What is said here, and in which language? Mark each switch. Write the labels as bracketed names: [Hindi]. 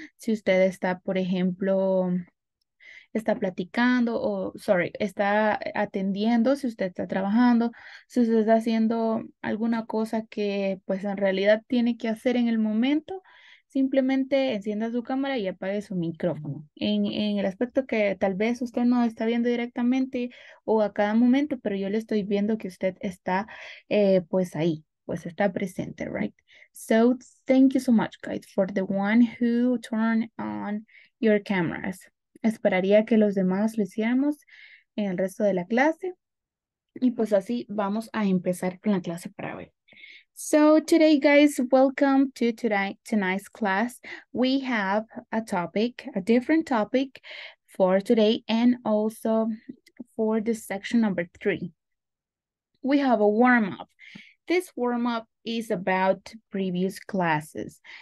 [Spanish] Si usted está, por ejemplo, está platicando o, sorry, está atendiendo, si usted está trabajando, si usted está haciendo alguna cosa que, pues, en realidad tiene que hacer en el momento, simplemente encienda su cámara y apague su micrófono. En el aspecto que tal vez usted no está viendo directamente o a cada momento, pero yo le estoy viendo que usted está, pues ahí, pues está presente, right? [English] So, thank you so much, guys, for the one who turned on your cameras. [Spanish] Esperaría que los demás lo hiciéramos en el resto de la clase. Y pues así vamos a empezar con la clase para hoy. [English] So today, guys, welcome to tonight's class. We have a topic, a different topic for today and also for the section number 3. We have a warm-up. This warm-up is about previous classes.